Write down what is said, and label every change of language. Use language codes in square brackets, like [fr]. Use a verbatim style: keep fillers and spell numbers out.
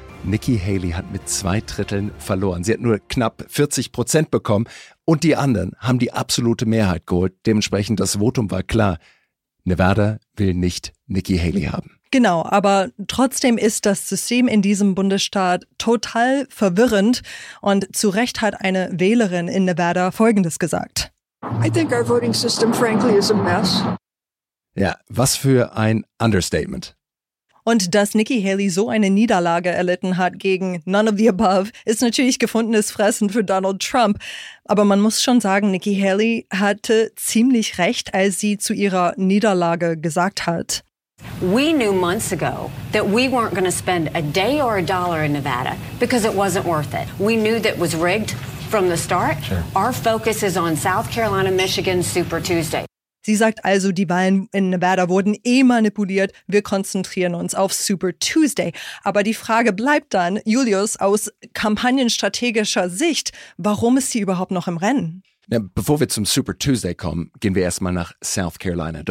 [de] Nikki Haley hat mit zwei Dritteln verloren. Sie hat nur knapp vierzig Prozent bekommen und die anderen haben die absolute Mehrheit geholt. Dementsprechend, das Votum war klar. Nevada will nicht Nikki Haley haben. Genau, aber trotzdem ist das System in diesem Bundesstaat total verwirrend und zu Recht hat eine Wählerin in Nevada Folgendes gesagt. [en] I think our voting system frankly is a mess. [de] Ja, was für ein Understatement. Und dass Nikki Haley so eine Niederlage erlitten hat gegen [en] none of the above, [de] ist natürlich gefundenes Fressen für Donald Trump. Aber man muss schon sagen, Nikki Haley hatte ziemlich recht, als sie zu ihrer Niederlage gesagt hat. [en] We knew months ago that we weren't going to spend a day or a dollar in Nevada because it wasn't worth it. We knew that was rigged from the start. Sure. Our focus is on South Carolina, Michigan, Super Tuesday. [de] Sie sagt also, die Wahlen in Nevada wurden eh manipuliert. Wir konzentrieren uns auf Super Tuesday. Aber die Frage bleibt dann, Julius, aus kampagnenstrategischer Sicht, warum ist sie überhaupt noch im Rennen? Na, bevor wir zum Super Tuesday kommen, gehen wir erstmal nach South Carolina.